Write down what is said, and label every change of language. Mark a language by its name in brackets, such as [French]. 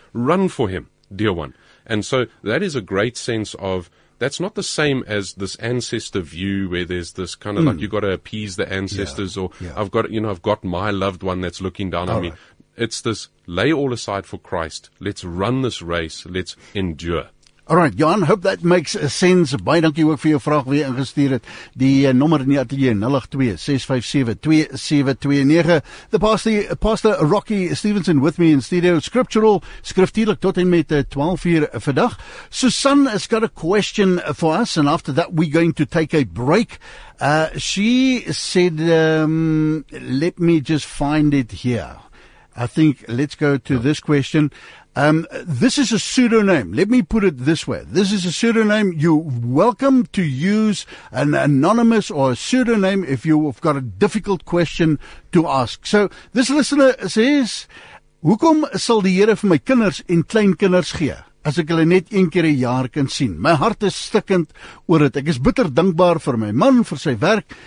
[English] Run for him, dear one. And so that is a great sense of, that's not the same as this ancestor view where there's this kind of like, you got to appease the ancestors I've got my loved one that's looking down on me. Right. It's this, lay all aside for Christ. Let's run this race. Let's endure. All right, Jan, hope that makes sense. [Afrikaans] Baie dankie ook vir jou vraag weer ingestuur het. Die nommer in die atelier, 082-657-2729. [English] The pastor Rocky Stevenson with me in studio. [Afrikaans] Scriptural, skriftuurlijk, tot en met 12 uur vandag. [English] Susan has got a question for us, and after that we're going to take a break. She said, let me just find it here. I think let's go to this question. This is a pseudonym. Let me put it this way. This is a pseudonym. You're welcome to use an anonymous or a pseudonym if you've got a difficult question to ask. So this listener says, [Afrikaans] "Hoekom sal die Here vir my kinders en kleinkinders gee as ek hulle net een keer 'n jaar kan sien? My hart is stikkend oor dit. Ek is bitter dankbaar vir my man, vir sy werk.